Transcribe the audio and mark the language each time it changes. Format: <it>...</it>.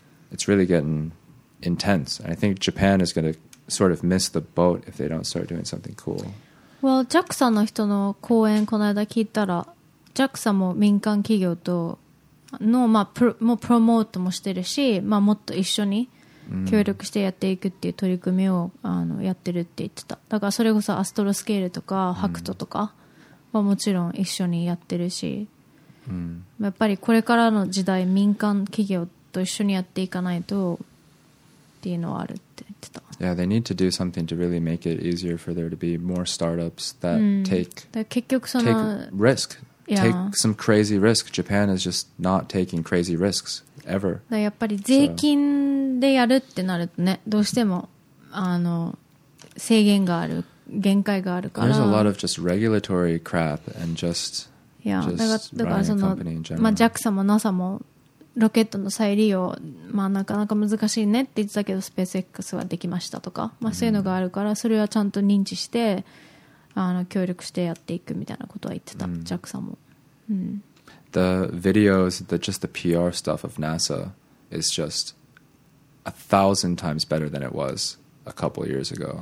<en>It's really getting intense. I think Japan is going to sort of miss the boat if they don't start doing something cool.</en> <ja>Well, JAXA の人の講演この間聞いたら、JAXA も民間企業とのまあプロモートもしてるし、まあもっと一緒に協力してやっていくっていう取り組みをやってるって言ってた。だからそれこそアストロスケールとかハクトとかはもちろん一緒にやってるし、やっぱりこれからの時代民間企業と一緒にやっていかないとっていうのはあるって言ってた。</ja> <en>Yeah, they need to do something to really make it easier for there to be more startups that take,</en> <ja>だから結局その</ja> <en>take risk. Yeah. Take some crazy risk. Japan is just not taking crazy risks ever.</en> <ja>だからやっぱり税金でやるってなるとね、どうしても制限がある、限界があるから。</ja> <en>There's a lot of just regulatory crap and just running a company in general.</en> <ja>まあ JAXA も NASA もロケットの再利用、まあ、なかなか難しいねって言ってたけど SpaceX はできましたとか、まあ、そういうのがあるからそれはちゃんと認知して協力してやっていくみたいなことは言ってた、JAXA も、</ja> <en>The videos, just the PR stuff of NASA is just 1,000 times better than it was a couple years ago.</en>